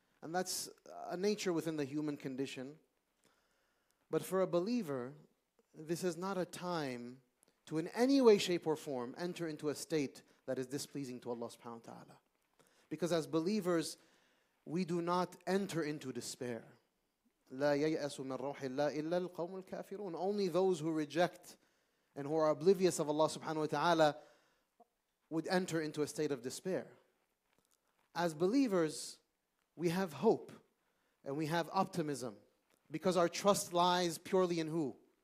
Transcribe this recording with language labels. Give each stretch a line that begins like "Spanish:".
English: And that's a nature within the human condition. But for a believer, this is not a time to in any way, shape, or form enter into a state that is displeasing to Allah subhanahu wa ta'ala. Because as believers, we do not enter into despair.
Arabic: لا ييأس من روح الله إلا القوم الكافرون.
English: Only those who reject and who are oblivious of Allah subhanahu wa ta'ala would enter into a state of despair. As believers, we have hope and we have optimism because our trust lies purely in who?